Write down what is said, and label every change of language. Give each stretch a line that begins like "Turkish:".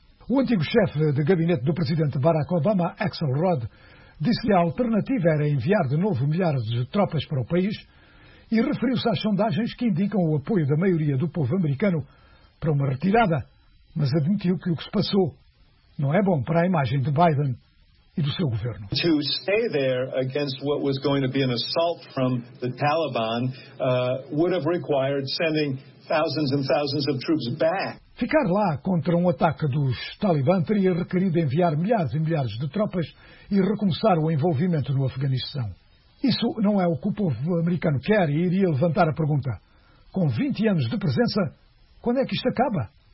Portuguese: O antigo chefe de gabinete do presidente Barack Obama, Axel Rod, disse que a alternativa era enviar de novo milhares de tropas para o país e referiu-se às sondagens que indicam o apoio da maioria do povo americano para uma retirada, mas admitiu que o que se passou não é bom para a imagem de Biden e do seu governo.
English: To stay there against what was going to be an assault from the Taliban would have required sending thousands and thousands of troops back.
Portuguese: Ficar lá contra um ataque dos Talibã teria requerido enviar milhares e milhares de tropas e recomeçar o envolvimento no Afeganistão. Isso não é o que o povo americano quer e iria levantar a pergunta: com 20 anos de presença, quando é que isto acaba?